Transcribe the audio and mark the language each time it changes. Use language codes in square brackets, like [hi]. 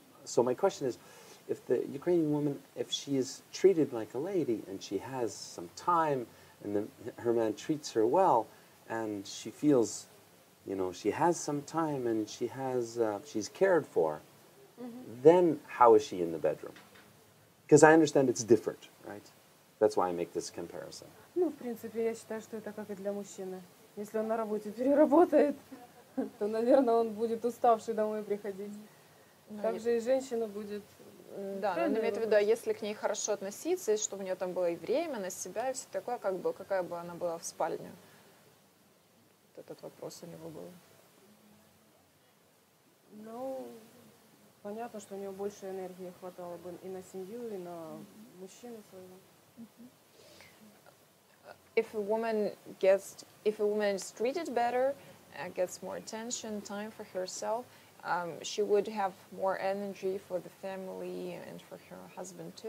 [en] So my question is, if the Ukrainian woman, if she is treated like a lady and she has some time and her man treats her well and she feels, you know, she has some time and she has, she's cared for, then how is she in the bedroom? Because I understand it's different, right? That's why I make this comparison. [ru] Ну, в принципе, я считаю, что это как и для мужчины. Если он на работе переработает, то, наверное, он будет уставший домой приходить. Также и женщина будет да, она имеет в виду, а если к ней хорошо относиться, и чтобы у нее там было и время на себя, и все такое, как бы, какая бы она была в спальне? Вот этот вопрос у него был. Ну, понятно, что у нее больше энергии хватало бы и на семью, и на мужчину своего. [en] If a woman is treated better, gets more attention, time for herself, she would have more energy for the family and for her husband too.